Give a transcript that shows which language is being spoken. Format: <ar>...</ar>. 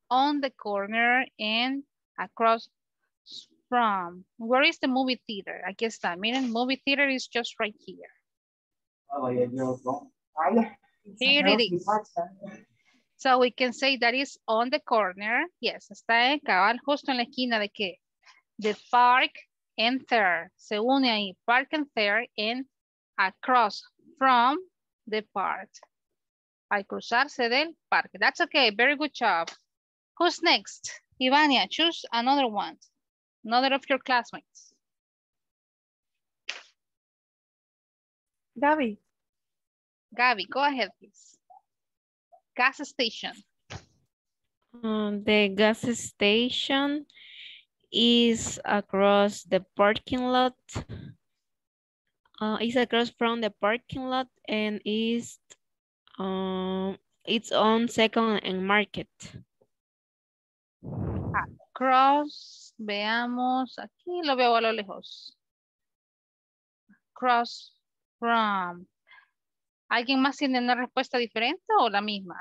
<en>On the corner and across from. Where is the movie theater? I guess that meaning movie theater is just right here. Here it is. So we can say that is on the corner.</en> <es>Yes, está en cabal, justo en la esquina de qué?</es> <en>The park and fair.</en> <es>Se une ahí,</es> <en>park and fair, and across from the park.</en> <es>Al cruzarse del parque.</es> <en>That's okay, very good job. Who's next? Ivania, choose another one. Another of your classmates. Gabby. Gabby, go ahead, please. Gas station. The gas station is across the parking lot. It's across from the parking lot and is its on Second and Market.</en> <es>Across, veamos, aquí lo veo a lo lejos.</es> <en>Across from.</en> <es>¿Alguien más tiene una respuesta diferente o la misma?</es>